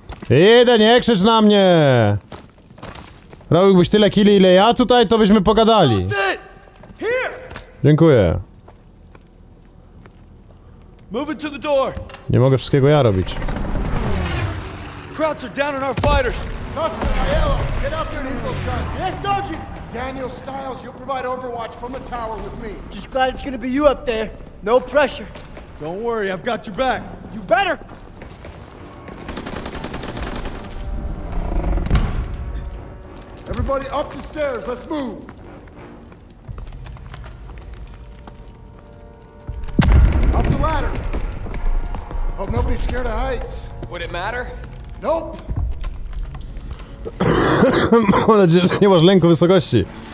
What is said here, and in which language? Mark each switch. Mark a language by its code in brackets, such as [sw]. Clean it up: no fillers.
[pl] Jeden, nie krzycz na mnie! Robiłbyś tyle killi, ile ja tutaj, to byśmy pogadali. Dziękuję. [en] Move it to the door. [pl] Nie mogę wszystkiego ja robić. [en] Crowds are down on our fighters. Tossin, Aiello, get up there and eat those guns. Yes, Sergeant. Daniel Stiles, you'll provide overwatch from the tower with me. Just glad it's gonna be you up there. No pressure. Don't worry, I've got your back. You better! Everybody up the stairs, let's move! Up the ladder! Hope nobody's scared of heights. Would it matter? Nope! [pl] Mam nadzieję, że nie masz lęku wysokości.